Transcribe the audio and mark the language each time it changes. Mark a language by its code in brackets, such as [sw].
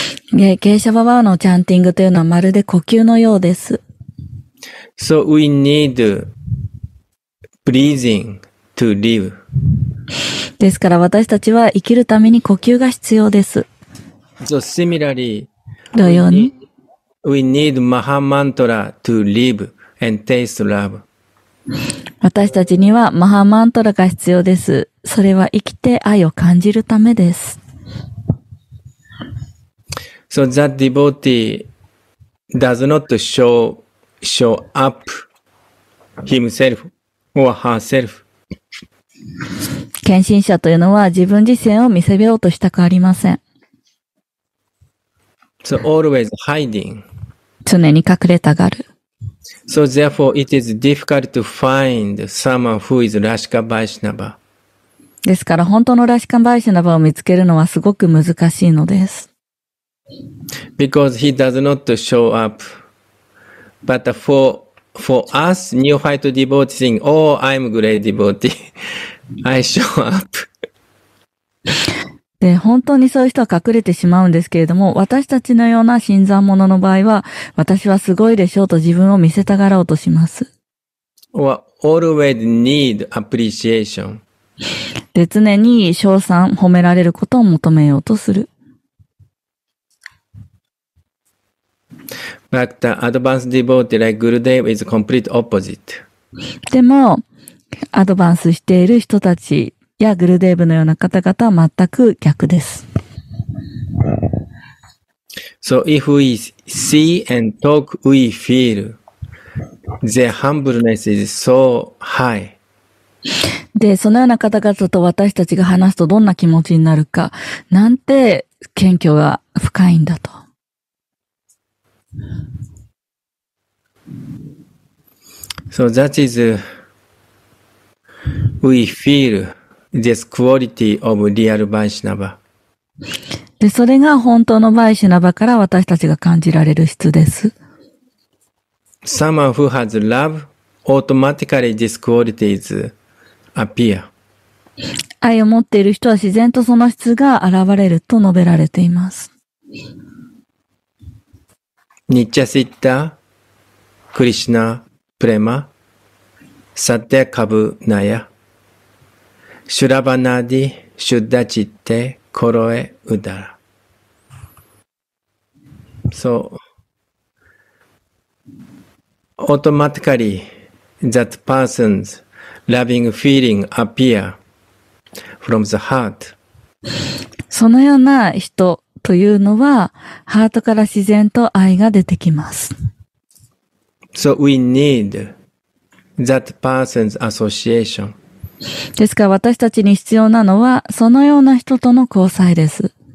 [ja] Yeah, Kesha Baba のチャンティングというのはまるで呼吸のようです。 [en] So we need breathing to live. [ja] ですから私たちは生きるために呼吸が必要です。 [en] So similarly, [ja] 同様に [en] we need Maha Mantra to live and taste love. [ja] 私たちにはマハマントラが必要です。それは生きて愛を感じるためです。 [en] So that devotee does not show up himself or herself. [ja] 献身者というのは自分自身を見せようとしたくありません。 [en] So always hiding. [ja] 常に隠れたがる。 [en] So therefore it is difficult to find someone who is Rashika Vaishnava. [ja] ですから本当のラシカバイシナバを見つけるのはすごく難しいのです。 [en] Because he does not show up. But for us, new fight devotees saying, oh, I'm great devotee. I show up. [ja] で本当にそういう人は隠れてしまうんですけれども、私たちのような新参者の場合は、私はすごいでしょうと自分を見せたがろうとします。 [en] Or always need appreciation. [ja] で常に称賛、褒められることを求めようとする。 [en] But the advanced devotee like Gurudev is complete opposite. [ja] でも、アドバンスしている人たちやグルデーブのような方々は全く逆です。 [en] So if we see and talk, we feel their humbleness is so high. [ja] で、そのような方々と私たちが話すとどんな気持ちになるか、なんて謙虚が深いんだと。 [en] So that is, we feel this quality of real Vaishnava. [ja] で、それが本当のバイシナバから私たちが感じられる質です。 [en] Someone who has love, automatically this quality is appear. [ja] 愛を持っている人は自然とその質が現れると述べられています。 [sa] ニッチャシッタ、クリシナ、プレマ、サッテカブナヤ、シュラバナディ、シュッダチッテ、コロエウダラ。 [en] So, automatically, that person's loving feeling appear from the heart. [ja] そのような人というのは、ハートから自然と愛が出てきます。 [en] So we need that person's association. [ja] ですから私たちに必要なのは、そのような人との交際です。